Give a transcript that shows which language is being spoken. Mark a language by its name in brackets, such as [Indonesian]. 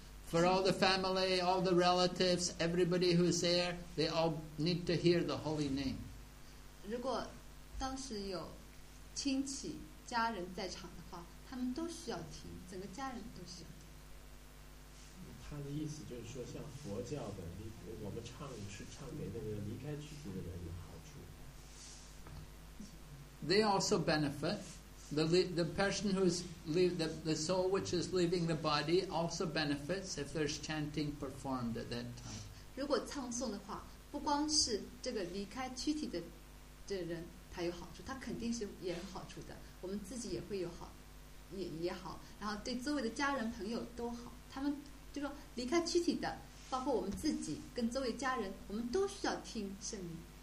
[English] For all the family, all the relatives, everybody who's there, they all need to hear the holy name. [Chinese] 如果当时有亲戚家人在场的话，他们都需要听，整个家人都需要听。他的意思就是说，像佛教的，我们唱是唱给那个离开躯体的人有好处。 [English] they also benefit. The person who is the soul which is leaving the body also benefits if there's chanting performed at that time. [Chinese] 如果唱诵的话，不光是这个离开躯体的人，他有好处，他肯定是也有好处的。我们自己也会有好，也好，然后对周围的家人朋友都好。他们就说离开躯体的，包括我们自己跟周围家人，我们都需要听圣音。